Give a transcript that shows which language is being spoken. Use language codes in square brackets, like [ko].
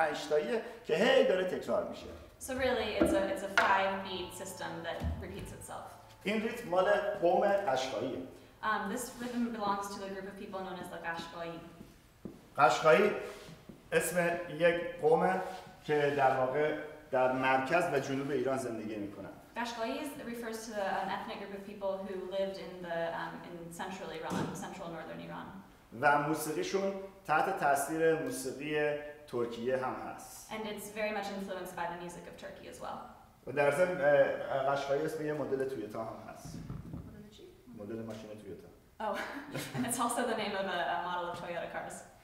[en] So really, it's a five beat system that repeats itself. [fa] این ریتم مال قوم قشقایی. [en] This rhythm belongs to a group of people known as the قشقایی. [fa] قشقایی اسم یک قوم که در واقع در مرکز و جنوب ایران زندگی میکنند. [en] قشقایی refers to an ethnic group of people who lived in the in central Iran, central northern Iran. [fa] و موسیقیشون تحت تاثیر موسیقی ترکیه هم هست. [en] And it's very much influenced by the music of Turkey as well. [fa] و در ضمن قشقایی اسم یه مدل تویوتا هم هست. مدل ماشین تویوتا. [en] Oh, and it's also the name of a model of Toyota cars.